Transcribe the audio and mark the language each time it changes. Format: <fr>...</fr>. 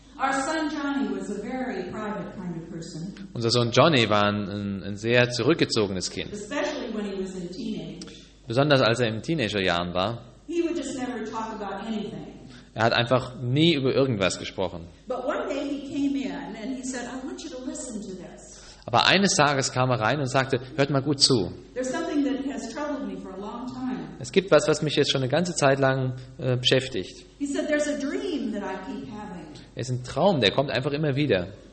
<en>Our son Johnny was a very private kind of person.</en> <de>Unser Sohn Johnny war ein sehr zurückgezogenes Kind.</de> <en>Especially when he was in teenage.</en> <de>Besonders als er im Teenagerjahren war.</de> <en>He would just never talk about anything.</en> <de>Er hat einfach nie über irgendwas gesprochen.</de> <en>But one day he came in and he said, I want you to listen to this.</en> <de>Aber eines Tages kam er rein und sagte, hört mal gut zu.</de> <en>There's something that has troubled me for a long time.</en> <de>Es gibt was, was mich jetzt schon eine ganze Zeit lang beschäftigt.</de> <en>He said, there's a dream that I keep having.</en> <de>Es ist ein Traum, der kommt einfach immer wieder.</de>